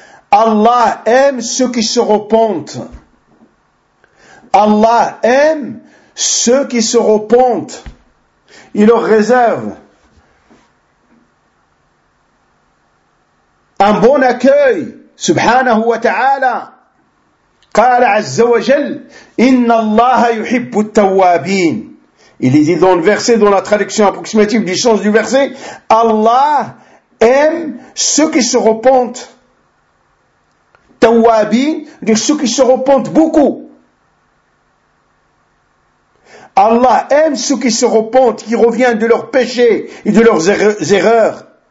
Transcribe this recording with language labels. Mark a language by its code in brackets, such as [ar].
[fr] Allah aime ceux qui se repentent. Allah aime ceux qui se repentent. Il leur réserve un bon accueil subhanahu wa ta'ala. [ar] قال عز وجل إن الله يحب التوابين. [fr] Il est dit dans le verset, dans la traduction approximative du sens du verset, Allah aime ceux qui se repentent. توابين, ceux qui se repentent beaucoup. Allah aime ceux qui se repentent, qui reviennent de leurs péchés et de leurs erreurs.